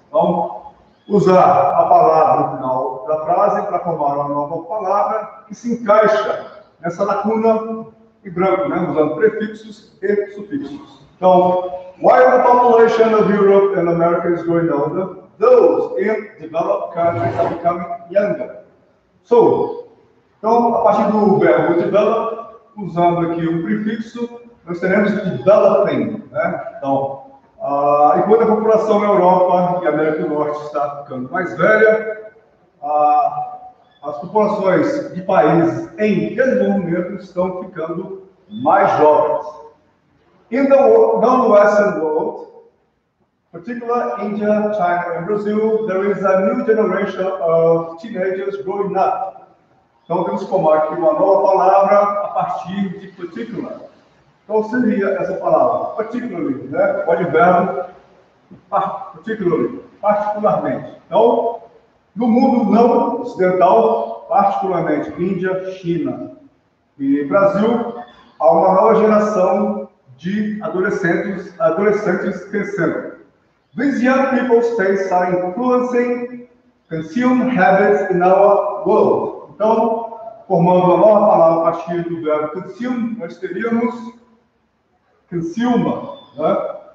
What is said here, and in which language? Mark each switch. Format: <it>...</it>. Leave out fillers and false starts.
<pt>Então, usar a palavra no final da frase para formar uma nova palavra que se encaixa nessa lacuna em branco, né? Usando prefixos e sufixos. Então,</pt> <en>while the population of Europe and America is going older, those in developed countries are becoming younger.</en> <pt>So, então, a partir do verbo develop, usando aqui o prefixo, nós teremos developing, né? Então, enquanto a população na Europa e América do Norte está ficando mais velha, as populações de países em desenvolvimento estão ficando mais jovens.</pt> <en>In the non-Western world, particularly India, China and Brazil, there is a new generation of teenagers growing up.</en> <pt>Então, temos que formar aqui uma nova palavra a partir de particular. Então, seria essa palavra, particularly, né? Pode ver, particularly, particularmente. Então, no mundo não ocidental, particularmente Índia, China e Brasil, há uma nova geração de adolescentes crescendo.</pt> <en>These young people's tastes are influencing consumed habits in our world.</en> <pt>Então, formando a nova palavra a partir do verbo consume, nós teríamos consuma, né?</pt>